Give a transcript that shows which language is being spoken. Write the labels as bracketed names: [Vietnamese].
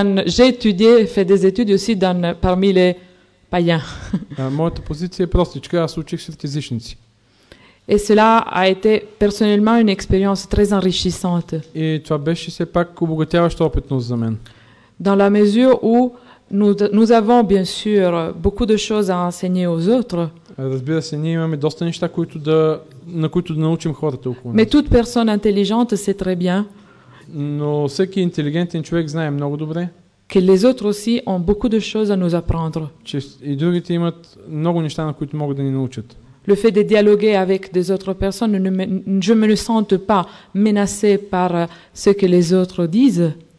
[French] J'ai étudié parmi les païens. [Bulgarian] Моята позиция е простичка, аз учих сред езичници. [French] Et cela a été personnellement une expérience très enrichissante. Et [Bulgarian] това беше все пак обогатяваща опитност за мен. [French] Dans la mesure où nous avons bien sûr beaucoup de choses à enseigner aux autres. [Bulgarian] Разбира се, ние имаме доста неща, които да на които да научим хората около нас. [French] Mais toute personne intelligente sait très bien. [Bulgarian] Но всеки интелигентен човек знае много добре. [French] Que les autres aussi ont beaucoup de choses à nous apprendre. [Bulgarian] Че и другите имат много неща, на които могат да ни научат. [French] Le fait de dialoguer avec des autres personnes, je ne me sens pas menacé par ce que les autres disent.